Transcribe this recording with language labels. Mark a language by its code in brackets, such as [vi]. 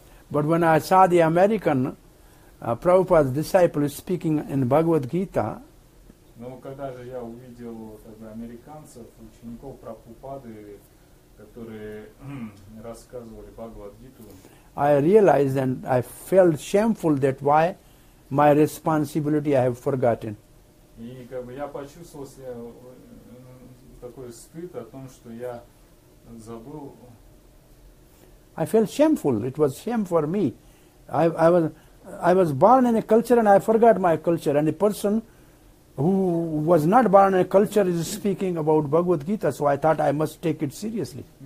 [en] But when I saw the American Prabhupada's disciple speaking in Bhagavad Gita, [ru] ну, когда же я увидел тогда американцев, учеников Прабхупады, которые рассказывали Бхагавад-гиту. [en] I realized and I felt shameful that why my responsibility I have forgotten. И как бы я почувствовал себя такой стыд о том, что я забыл. I felt shameful. It was shame for me. I was born in a culture and I forgot my culture. And a person who was not born in a culture is speaking about Bhagavad Gita, so I thought I must take it seriously.